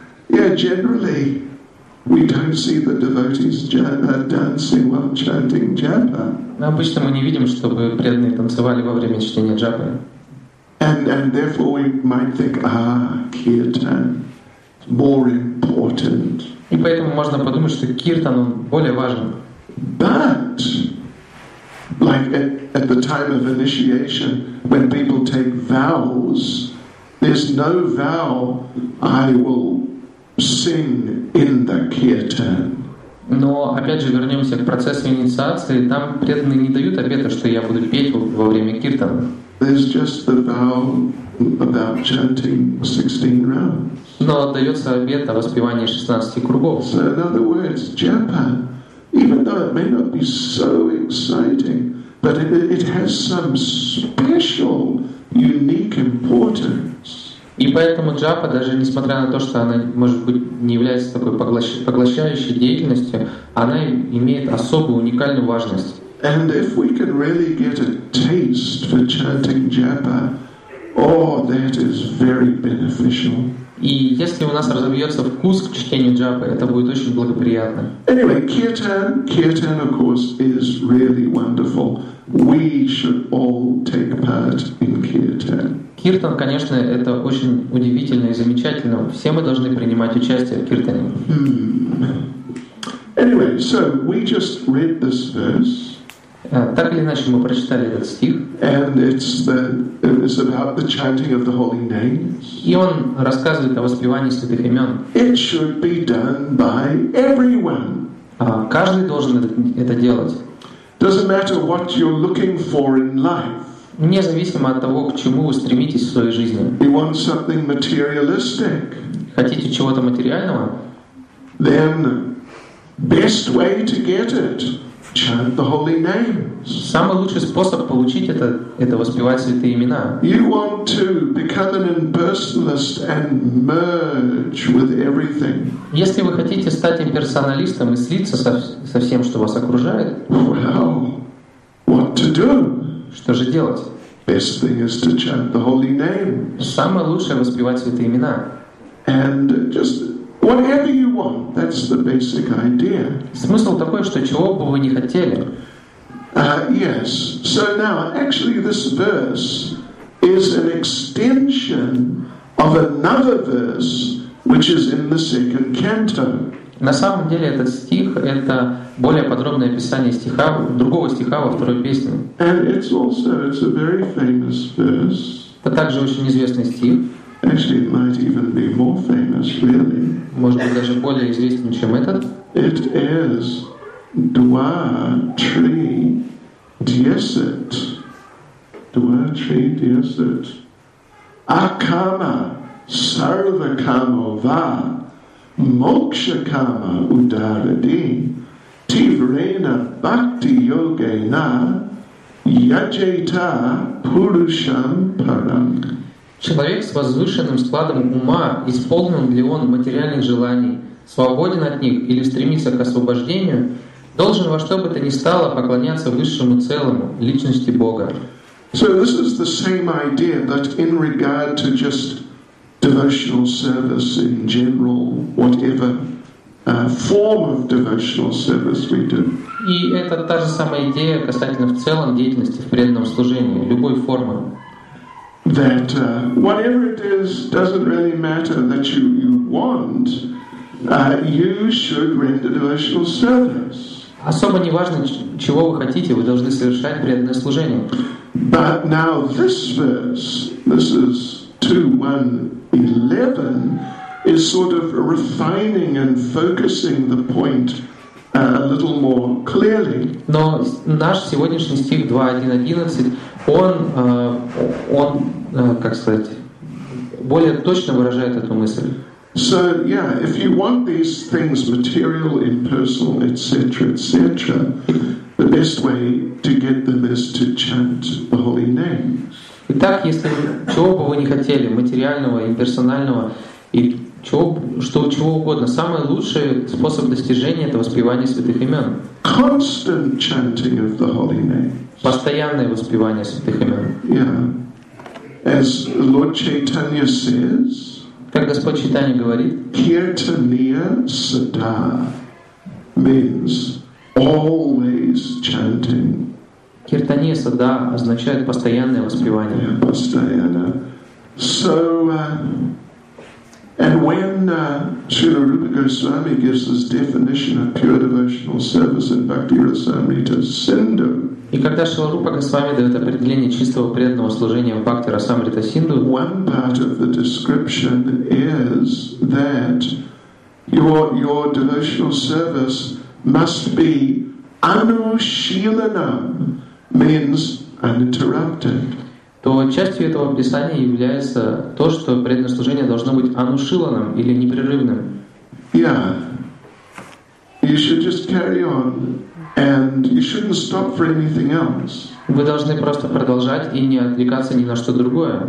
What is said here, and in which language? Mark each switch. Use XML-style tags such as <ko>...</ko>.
<en>Generally, we don't see the devotees dancing while chanting japa.</en> <ru>Мы обычно не видим, чтобы преданные танцевали во время чтения джапы.</ru> <en>And therefore we might think, ah, kirtan more important.</en> <ru>И поэтому можно подумать, что киртан он более важен.</ru> <en>But like at the time of initiation, when people take vows, there's no vow I will sing in the kirtan.</en> <ru>Но опять же вернемся к процессу инициации. Там преданные не дают обета, что я буду петь во время киртана.</ru> <en>There's just the vow about chanting 16 rounds.</en> <ru>Но отдается обет о воспевании 16 кругов.</ru> <en>So in other words, japa, even though it may not be so exciting, but it has some special, unique importance.</en> <ru>И поэтому джапа, даже несмотря на то, что она, может быть, не является такой поглощающей деятельностью, она имеет особую, уникальную важность.</ru> <en>And if we can really get a taste for chanting japa, oh, that is very beneficial.</en> <ru>И если у нас разобьется вкус к чтению джапы, это будет очень благоприятно.</ru> <en>Anyway, kirtan, of course, is really wonderful. We should all take part in kirtan.</en> <ru>Киртан, конечно, это очень удивительно и замечательно. Все мы должны принимать участие в киртане.</ru> <en>Anyway, so we just read this verse.</en> <ru>Так или иначе, мы прочитали этот стих.</ru> <en>And it's about the chanting of the holy names.</en> <ru>И он рассказывает о воспевании святых имен.</ru> <en>It should be done by everyone.</en> <ru>Каждый должен это делать.</ru> <en>Doesn't matter what you're looking for in life.</en> <ru>Независимо от того, к чему вы стремитесь в своей жизни.</ru> <en>You want something materialistic.</en> <ru>Хотите чего-то материального?</ru> <en>Then best way to get it, chant the holy names.</en> <ru>Самый лучший способ получить это воспевать святые имена.</ru> <en>You want to become an impersonalist and merge with everything.</en> <ru>Если вы хотите стать имперсоналистом и слиться со всем, что вас окружает,</ru> <en>well, what to do?</en> <ru>Что же делать?</ru> <en>Best thing is to chant the holy name.</en> <ru>Самое лучшее воспевать святые имена.</ru> <en>And just whatever you want, that's the basic idea.</en> <ru>Смысл такой, что чего бы вы ни хотели.</ru> <en>Yes. So now, actually, this verse is an extension of another verse, which is in the second canto.</en> <ru>На самом деле, этот стих — это более подробное описание стиха, другого стиха во второй песне.</ru> <en>And it's a very famous verse.</en> <ru>Это также очень известный стих.</ru> <en>Actually, it might even be more famous, really.</en> <ru>Может быть, даже более известен, чем этот.</ru> <en>It is</en> <ru>два, три, десять. Два, три, десять.</ru> <sa>Акама сарвакамо ва мокшакама ударади тиврена бхакти йогена яджета пурушам парам.</sa> <ru>Человек с возвышенным складом ума, исполнен ли он материальных желаний, свободен от них или стремится к освобождению, должен во что бы то ни стало поклоняться высшему целому, личности Бога.</ru> <en>So this is the same idea, but in regard to just devotional service in general, whatever form of devotional service we do.</en> <ru>И это та же самая идея касательно в целом деятельности в преданном служении, любой формы.</ru> <en>That whatever it is doesn't really matter that you want, you should render devotional service.</en> <ru>Особо не важно, чего вы хотите, вы должны совершать преданное служение.</ru> <en>But now this verse, this is 2:1-11, is sort of refining and focusing the point a little more clearly.</en> <ru>Но наш сегодняшний стих 2:1-11, более точно выражает эту мысль.</ru> <en>So yeah, if you want these things material, impersonal, etc., etc., the best way to get them is to chant the holy name.</en> <ru>Итак, если чего бы вы не хотели, материального, имперсонального и чего угодно, самый лучший способ достижения — это воспевание святых имен.</ru> <en>Constant chanting of the holy name.</en> <ru>Постоянное воспевание святых имен.</ru> <en>Yeah. As Lord Chaitanya says.</en> <ru>Как Господь Чайтанья говорит,</ru> <en>Kirtaniya Sada means always chanting.</en> <ru>Kirtaniya Sada означает постоянное воспевание. Yeah, постоянно.</ru> <en>So, and when Srila Rupa Goswami gives this definition of pure devotional service in Bhakti Rasamrita Sindhu,</en> <ru>и когда Шрила Рупа Госвами дает определение чистого преданного служения в Бхакти Расамрита Синдху,</ru> <en>one part of the description is that your devotional service must be anushilanam, means uninterrupted.</en> <ru>То частью этого описания является то, что преданное служение должно быть анушиланам или непрерывным.</ru> <en>Yeah. You should just carry on. And you shouldn't stop for anything else.</en> <ru>Вы должны просто продолжать и не отвлекаться ни на что другое.</ru>